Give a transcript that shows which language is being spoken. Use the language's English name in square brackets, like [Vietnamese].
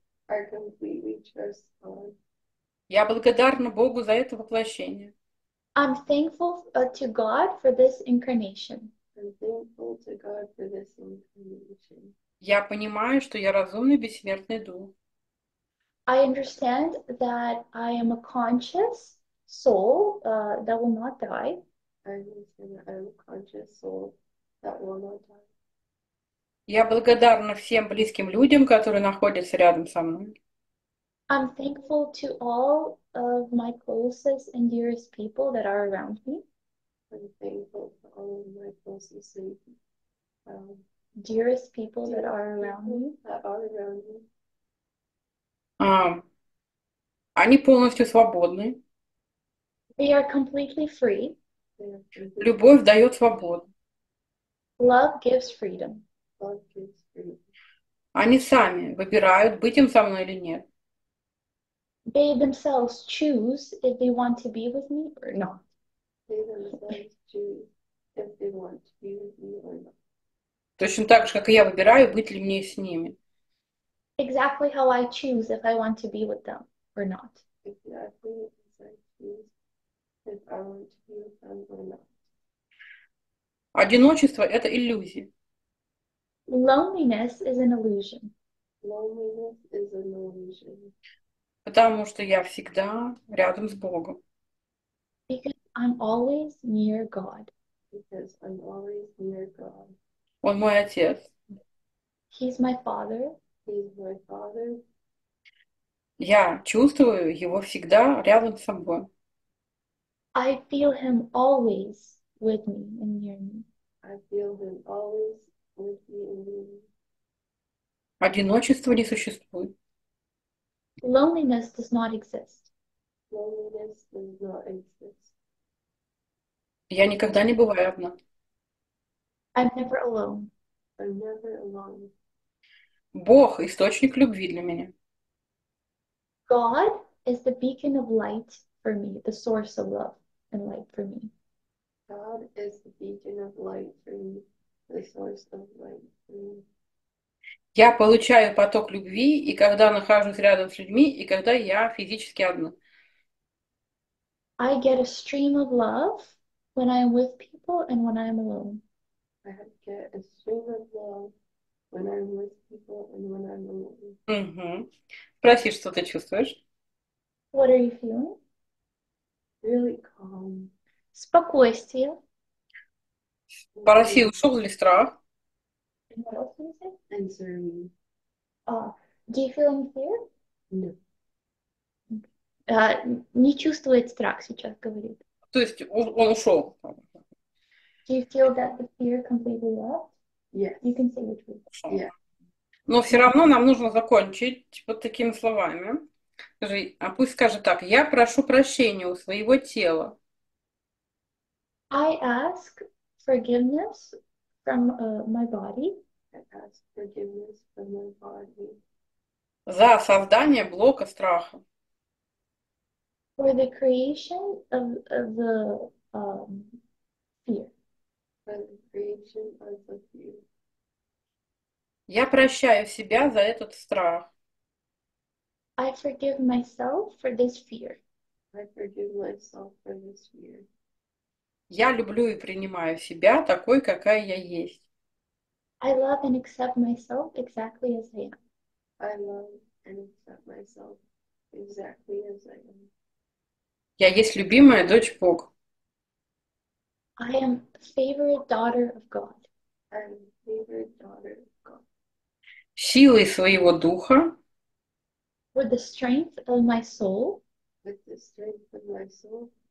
[English] I completely trust God. [Russian] Я благодарна Богу за это воплощение. [English] I'm thankful to God for this incarnation. I'm thankful to God for this information. [Russian] Я понимаю, что я разумный бессмертный дух. [English] I understand that I am a conscious soul that will not die. I understand that I'm a conscious soul that will not die. [Russian] Я благодарна всем близким людям, которые находятся рядом со мной. [English] I'm thankful to all of my closest and dearest people that are around me. I'm thankful for all of my closest and Dearest people that dear are around people that are around me. [Russian] А, они полностью свободны. [English] They are completely free. They are completely [Russian] Любовь дает свободу. [English] Love gives freedom. God gives freedom. [Russian] Они сами выбирают, быть им со мной или нет. [English] They themselves choose if they want to be with me or not. They themselves choose if they want to be with me or not. [Russian] Точно так же, как и я выбираю, быть ли мне с ними. [English] Exactly how I choose if I want to be with them or not. Exactly as I choose if I want to be with them or not. [Russian] Одиночество – это иллюзия. [English] Loneliness is an illusion. Loneliness is an illusion. [Russian] Потому что я всегда рядом с Богом. [English] Because I'm always near God. Because I'm always near God. [Russian] Он мой отец. [English] He's my father. He's my father. [Russian] Я чувствую его всегда рядом со мной. [English] I feel him always with me and near me. I feel him always with me and me. [Russian] Одиночество не существует. [English] Loneliness does not exist. Loneliness does not exist. [Russian] Я никогда не бываю одна. [English] I'm never alone. I'm never alone. [Russian] Бог – источник любви для меня. [English] God is the beacon of light for me, the source of love and light for me. God is the beacon of light for me, the source of light for me. [Russian] Я получаю поток любви, и когда нахожусь рядом с людьми, и когда я физически одна. [English] I get a stream of love when I'm with people and when I'm alone. I get a stream of love when I'm with people and when I'm alone. [Russian] Спроси, что ты чувствуешь? [English] What are you feeling? Really calm. [Russian] Спокойствие. Спроси, ушел ли страх? [English] What else can you say? Answer me. Do you feel any fear? No. [Russian] Не чувствует страх сейчас, говорит. То есть он ушел. [English] Do you feel that the fear completely left? Yes. You can say the truth. Yeah. [Russian] Но все [English] Yes. [Russian] равно нам нужно закончить вот такими словами. Скажи, а пусть скажет так: я прошу прощения у своего тела. [English] I ask forgiveness from my body. I ask forgiveness from my body. [Russian] За создание блока страха. [English] For the creation of the fear. For the creation of the fear. [Russian] Я прощаю себя за этот страх. [English] I forgive myself for this fear. I forgive myself for this fear. [Russian] Я люблю и принимаю себя такой, какая я есть. [English] I love and accept myself exactly as I am. I love and accept myself exactly as I am. [Russian] Я есть любимая дочь Бога. [English] I am favorite daughter of God. I'm favorite daughter of God. [Russian] Силой своего духа. [English] With the strength of my soul. With the strength of my soul.